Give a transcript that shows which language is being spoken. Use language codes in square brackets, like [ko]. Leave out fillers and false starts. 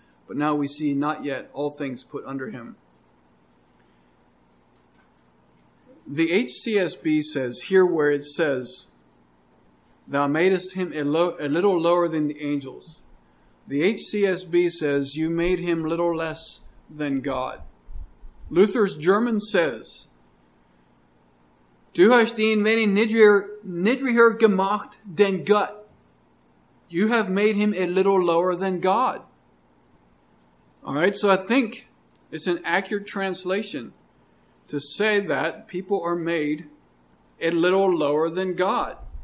[en] But now we see not yet all things put under him. The HCSB says here where it says, thou madest him a little lower than the angels. The HCSB says, you made him little less than God. [de] Luther's German says, du hast ihn wenig niedriger gemacht denn Gott. [en] You have made him a little lower than God. All right, so I think it's an accurate translation to say that people are made a little lower than God.